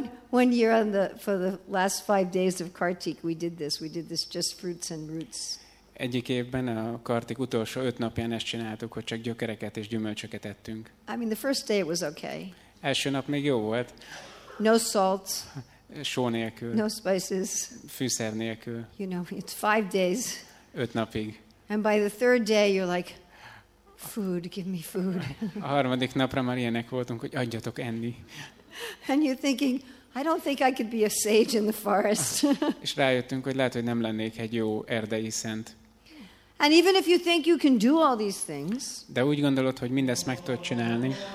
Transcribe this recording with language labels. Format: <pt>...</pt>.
<en>One year on the for the last 5 days of Kartik, we did this just fruits and roots.</en> <hu>Egyik évben a Kartik utolsó 5 napján ezt csináltuk, hogy csak gyökereket és gyümölcsöket ettünk.</hu> <en>I mean, the first day it was okay.</en> <hu>Első nap még jó volt.</hu> <en>No salt.</en> <hu>Só nélkül.</hu> <en>No spices.</en> <hu>Fűszer nélkül.</hu> <en>You know, it's 5 days.</en> <hu>5 napig.</hu> <en>And by the third day, you're like, food, give me food.</en> <hu>A harmadik napra már ilyenek voltunk, hogy adjatok enni.</hu> <en>And you're thinking, I don't think I could be a sage in the forest.</en> <hu>És rájöttünk, hogy lehet, hogy nem lennék egy jó erdei szent.</hu> <en>And even if you think you can do all these things.</en> <hu>De úgy gondolod, hogy mindezt meg tudod csinálni.</hu>